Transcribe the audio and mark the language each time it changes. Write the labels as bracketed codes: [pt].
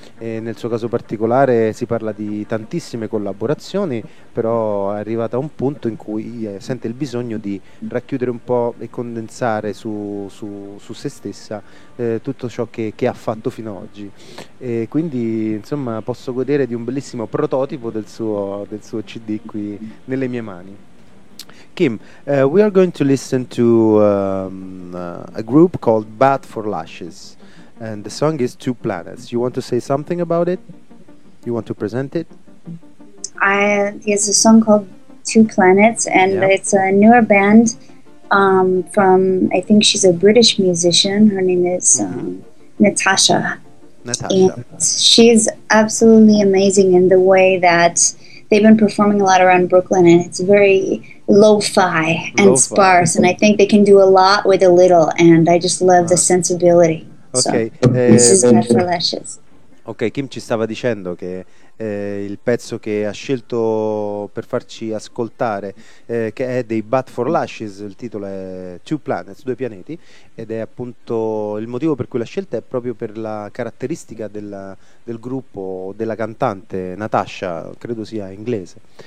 [it] E nel suo caso particolare si parla di tantissime cose, collaborazioni, però è arrivata a un punto in cui sente il bisogno di racchiudere un po' e condensare su se stessa tutto ciò che ha fatto fino ad oggi. E quindi, insomma, posso godere di un bellissimo prototipo del suo CD qui nelle mie mani. [en] Kim, we are going to listen to a group called Bad for Lashes, and the song is Two Planets. You want to say something about it? You want to present it? There's a song called Two Planets, and it's a newer band from, I think she's a British musician. Her name is Natasha. And she's absolutely amazing in the way that they've been performing a lot around Brooklyn, and it's very lo-fi and lo-fi. Sparse, and I think they can do a lot with a little, and I just love the sensibility. Okay. So, this is Bad for Lashes. [it] Ok, Kim ci stava dicendo che il pezzo che ha scelto per farci ascoltare, che è dei Bad for Lashes, il titolo è Two Planets, Due Pianeti, ed è appunto il motivo per cui l'ha scelta è proprio per la caratteristica del gruppo, della cantante Natasha, credo sia inglese.